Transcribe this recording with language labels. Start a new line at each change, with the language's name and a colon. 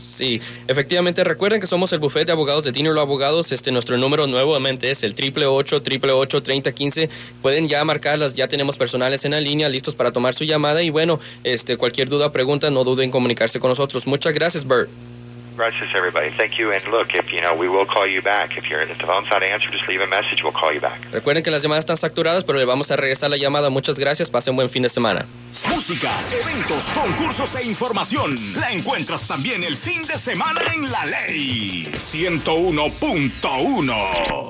Spanish: Sí, efectivamente, recuerden que somos el bufete de abogados de Dinero Abogados. Nuestro número nuevamente es el 888-888-3015. Pueden ya marcarlas, ya tenemos personales en la línea listos para tomar su llamada. Y bueno, cualquier duda o pregunta, no duden en comunicarse con nosotros. Muchas gracias, Bert. Gracias,
English: everybody. Thank you. And look, if you know, we will call you back. If the phone's not answered, just leave a message, we'll call you back.
Spanish: Recuerden que las llamadas están facturadas, pero le vamos a regresar la llamada. Muchas gracias. Pasen buen fin de semana. Música, eventos, concursos e información. La encuentras también el fin de semana en La Ley 101.1.